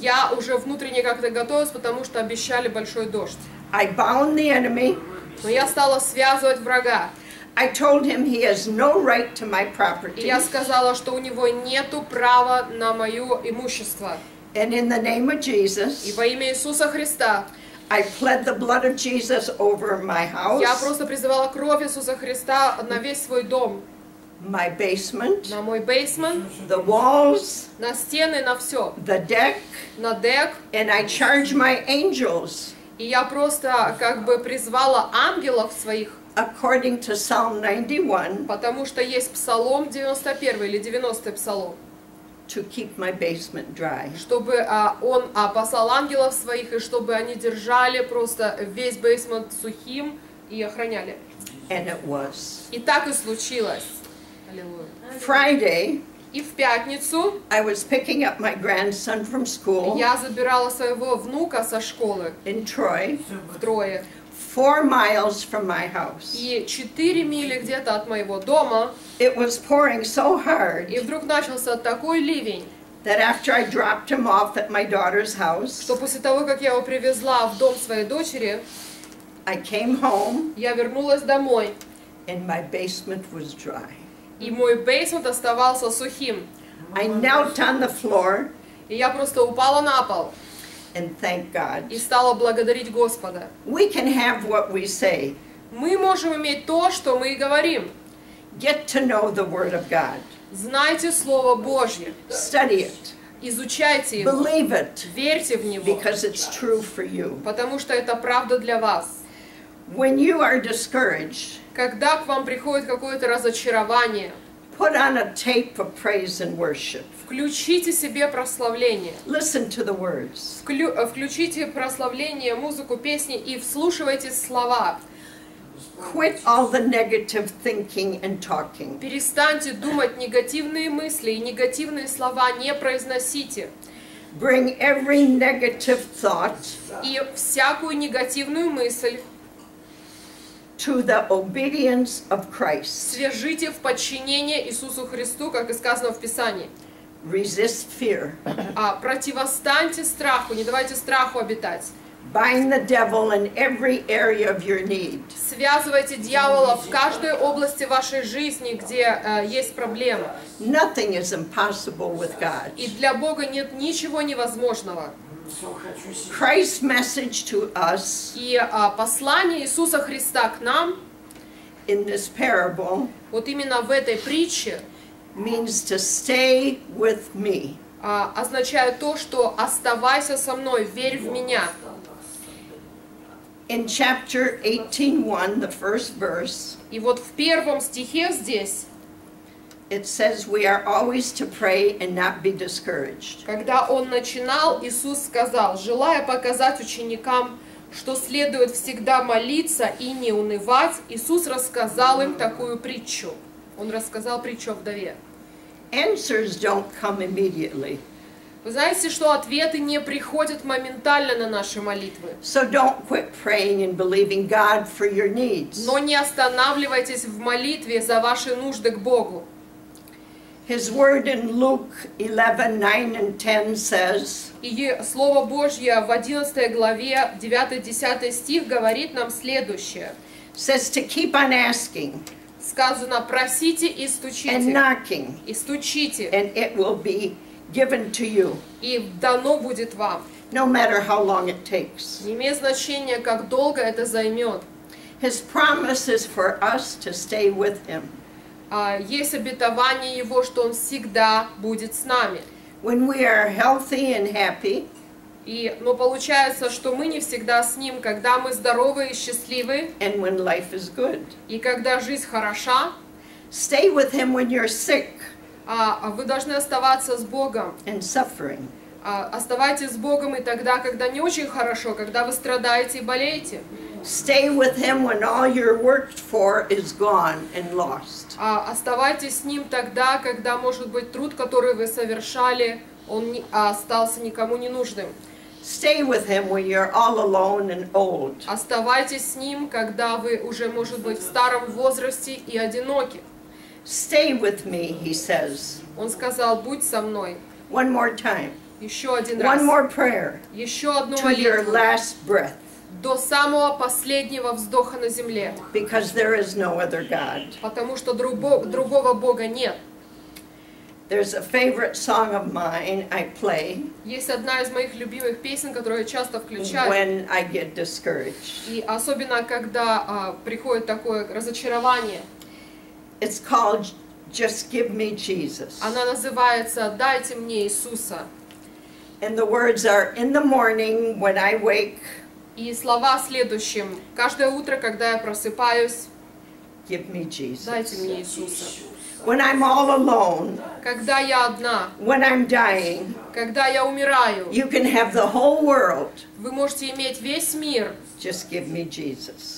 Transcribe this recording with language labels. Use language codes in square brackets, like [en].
[ru] Я уже внутренне как-то готовилась, потому что обещали большой дождь. [en] I bound the enemy. [ru] Но я стала связывать врага. [en] I told him he has no right to my property. [ru] И я сказала, что у него нету права на мое имущество. [en] And in the name of Jesus. [ru] И во имя Иисуса Христа. [en] I pled the blood of Jesus over my house. [ru] Я просто призывала кровь Иисуса Христа на весь свой дом. [en] My basement, [ru] на мой basement, [en] the walls, [ru] на стены, на все, [en] the deck, [ru] на deck, [en] and I charge my angels, [ru] и я просто как бы призвала ангелов своих, [en] according to Psalm 91, [ru] потому что есть Псалом 91 или 90 Псалом, [en] to keep my basement dry, [ru] чтобы он послал ангелов своих, и чтобы они держали просто весь basement сухим и охраняли. [en] And it was. [ru] И так и случилось. [en] Friday, [ru] и в пятницу, [en] I was picking up my grandson from school. [ru] Я забирала своего внука со школы. [en] In Troy. [ru] В Трое. [en] 4 miles from my house. [ru] И 4 мили где-то от моего дома. [en] It was pouring so hard. [ru] И вдруг начался такой ливень. [en] That after I dropped him off at my daughter's house. [ru] Что после того, как я его привезла в дом своей дочери, [en] I came home. [ru] Я вернулась домой. [en] And my basement was dry. [ru] И мой бейсмент оставался сухим. [en] I knelt on the floor. [ru] И я просто упала на пол. [en] And thank God. [ru] И стала благодарить Господа. [en] We can have what we say. [ru] Мы можем иметь то, что мы и говорим. [en] Get to know the word of God. [ru] Знайте Слово Божье. [en] Study it. [ru] Изучайте его. [en] Believe it. [ru] Верьте в него. [en] Because it's true for you. [ru] Потому что это правда для вас. [en] When you are discouraged, [ru] когда к вам приходит какое-то разочарование, [en] put on a tape of praise and worship. [ru] Включите себе прославление. [en] Listen to the words. [ru] Включите прославление, музыку, песни и вслушивайте слова. [en] Quit all the negative thinking and talking. [ru] Перестаньте думать негативные мысли и негативные слова не произносите. [en] Bring every negative thought [ru] и всякую негативную мысль [en] to the obedience of Christ. [ru] Свяжите в подчинение Иисусу Христу, как и сказано в Писании. [en] Resist fear. [ru] Противостаньте страху, не давайте страху обитать. [en] Bind the devil in every area of your need. [ru] Связывайте дьявола в каждой области вашей жизни, где есть проблемы. [en] Nothing is impossible with God. [ru] И для Бога нет ничего невозможного. [en] Christ's message to us. [ru] И послание Иисуса Христа к нам. [en] In this parable. [ru] Вот именно в этой притче. [en] Means to stay with me. [ru] Означает то, что оставайся со мной, верь в меня. [en] In chapter 18:1, the first verse. [ru] И вот в первом стихе здесь. [en] It says we are always to pray and not be discouraged. [ru] Когда он начинал, Иисус сказал, желая показать ученикам, что следует всегда молиться и не унывать, Иисус рассказал им такую притчу. Он рассказал притчу о вдове. [en] Answers don't come immediately. [ru] Вы знаете, что ответы не приходят моментально на наши молитвы. [en] So don't quit praying and believing God for your needs. [ru] Но не останавливайтесь в молитве за ваши нужды к Богу. [en] His word in Luke 11:9-10 says. [ru] И слово Божье в 11 главе 9-10 стих говорит нам следующее. [en] Says to keep on asking. [ru] Сказано, просите и стучите. [en] And knocking. [ru] И стучите. [en] And it will be given to you. [ru] И дано будет вам. [en] No matter how long it takes. [ru] Не имеет значения, как долго это займет. [en] His promise is for us to stay with him. [ru] Есть обетование его, что он всегда будет с нами. [en] When we are healthy and happy. [ru] Но получается, что мы не всегда с ним, когда мы здоровы и счастливы. [en] And when life is good. [ru] И когда жизнь хороша. [en] Stay with him when you're sick. [ru] Вы должны оставаться с Богом. [en] And suffering. [ru] Оставайтесь с Богом и тогда, когда не очень хорошо, когда вы страдаете и болеете. [en] Stay with him when all you're worked for is gone and lost. [ru] Оставайтесь с ним тогда, когда, может быть, труд, который вы совершали, он остался никому не нужным. [en] Stay with him when you're all alone and old. [ru] Оставайтесь с ним, когда вы уже, может быть, в старом возрасте и одиноки. [en] Stay with me, he says. [ru] Он сказал, будь со мной. [en] One more time. [ru] Еще один раз. [en] One more prayer. [ru] Еще одну молитву. [en] To your last breath. [ru] До самого последнего вздоха на земле. [en] Because there is no other God. [ru] Потому что другого Бога нет. [en] There's a favorite song of mine I play. [ru] Есть одна из моих любимых песен, которую я часто включаю. [en] When I get discouraged. [ru] И особенно когда приходит такое разочарование. [en] It's called Just Give Me Jesus. [ru] Она называется Дайте мне Иисуса. [en] And the words are in the morning when I wake. [ru] И слова следующим. Каждое утро, когда я просыпаюсь. [en] Give me Jesus. [ru] Дайте мне Иисуса. [en] When I'm all alone, [ru] когда я одна, [en] when I'm dying, [ru] когда я умираю, [en] you can have the whole world. [ru] Вы можете иметь весь мир. [en] Just give me Jesus.